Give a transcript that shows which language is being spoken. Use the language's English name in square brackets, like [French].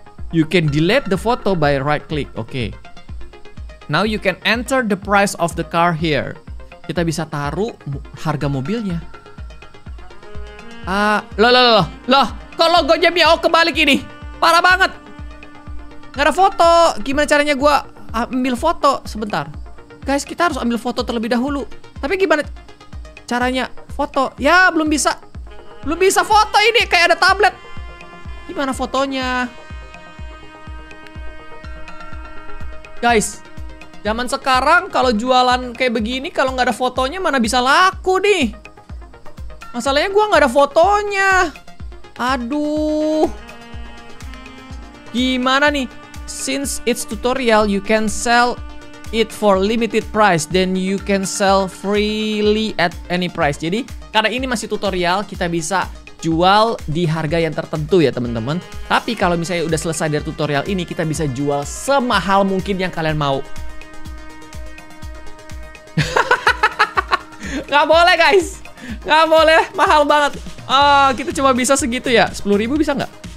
[English] You can delete the photo by right click. Okay. Now you can enter the price of the car here. [Indonesian] Kita bisa taruh harga mobilnya. Loh. Kok logonya Miao kebalik ini? Parah banget. Gak ada foto. Gimana caranya gue ambil foto? Sebentar. Guys, kita harus ambil foto terlebih dahulu. Tapi gimana caranya foto? Ya, belum bisa. Belum bisa foto ini. Kayak ada tablet. Gimana fotonya? Guys, zaman sekarang kalau jualan kayak begini, kalau nggak ada fotonya mana bisa laku nih? Masalahnya gue nggak ada fotonya. Aduh. Gimana nih? [English] Since it's tutorial, you can sell it for limited price. Then you can sell freely at any price. [Indonesian] Jadi, karena ini masih tutorial, kita bisa jual di harga yang tertentu ya teman-teman. Tapi kalau misalnya udah selesai dari tutorial ini, kita bisa jual semahal mungkin yang kalian mau. Gak boleh guys. Gak boleh, mahal banget. Kita cuma bisa segitu ya. 10.000 bisa gak?